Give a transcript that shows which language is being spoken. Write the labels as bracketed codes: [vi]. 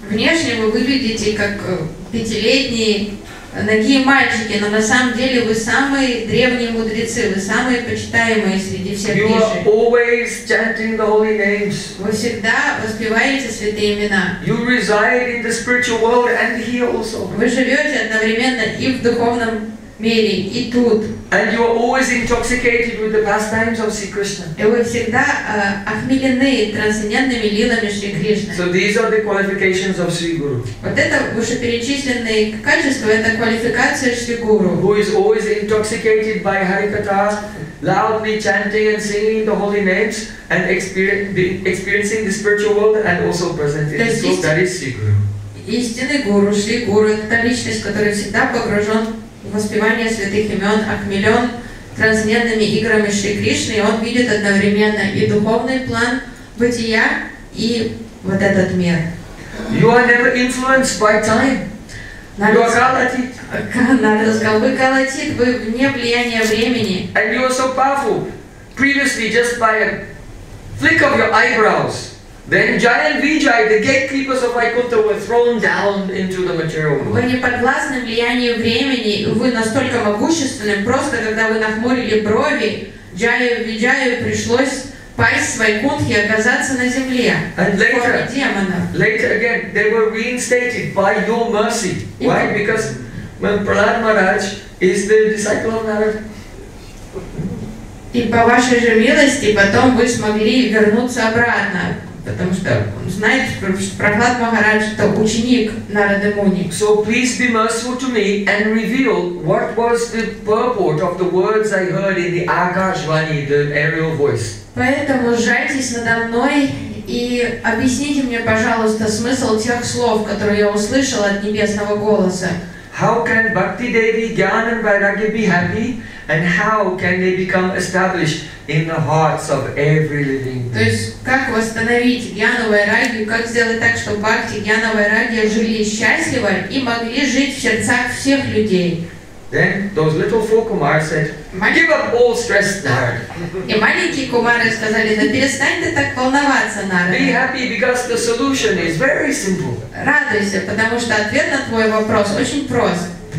[ru] Внешне вы выглядите как пятилетние нагие мальчики, но на самом деле вы самые древние мудрецы, вы самые почитаемые среди всех [en] ниши. You are always chanting the holy names. [ru] Вы всегда воспеваете святые имена. [en] You reside in the spiritual world and here also. [ru] Вы живете одновременно и в духовном мире, и тут. [en] And you are always intoxicated with the pastimes of Sri Krishna. [ru] И вы всегда охмелены трансцендентными лилами Шри Кришны. [en] So these are the qualifications of Sri Guru. [ru] Вот это вышеперечисленные качества, это квалификация Шри Гуру. [en] Who is always intoxicated by Harikatha, loudly chanting and singing the holy names, and experiencing the spiritual world, and also present in the soul, that is Sri Guru. [ru] Истинный Гуру, Шри Гуру, это личность, которая всегда погружен воспевание святых имен, окмелен трансцендентными играми Шри Кришны, и он видит одновременно и духовный план бытия, и вот этот мир. [en] You are never influenced by time. You are Калатит. [ru] Вы Калатит, вы вне влияния времени. [en] And you are so powerful. Previously, just by a flick of your eyebrows, then Jaya and Vijaya, the gatekeepers of Vaikuntha, were thrown down into the material world. [ru] Вы не подвластны влиянию времени, вы настолько могущественны, просто когда вы нахмурили брови, Джая и Виджаю пришлось пасть с Вайкунтхи и оказаться на земле. [en] And later again, they were reinstated by your mercy. Why? Because Prahlad Maharaj is the disciple of Narada. [ru] И по вашей же милости потом вы смогли вернуться обратно. Потому что он знает, что Прахлад Махарадж это ученик Нарады Муни. [en] So please be merciful to me and reveal what was the purport of the words I heard in the Akashvani, the aerial voice. [ru] Поэтому жальтесь надо мной и объясните мне, пожалуйста, смысл тех слов, которые я услышал от небесного голоса. [en] How can Bhakti Devi, Jnana and Vairagya be happy? And how can they become established in the hearts of every living being? [ru] То есть как восстановить Jnana Vairagya, как сделать так, чтобы бхакти Jnana Vairagya жили счастливо и могли жить в сердцах всех людей? [en] Then those little four kumaras said, "Give up all stress, Narada." [ru] И маленькие кумары сказали: "Да перестань ты так волноваться, Нарада." [en] Be happy because the solution is very simple. [ru] Радуйся, потому что ответ на твой вопрос очень прост.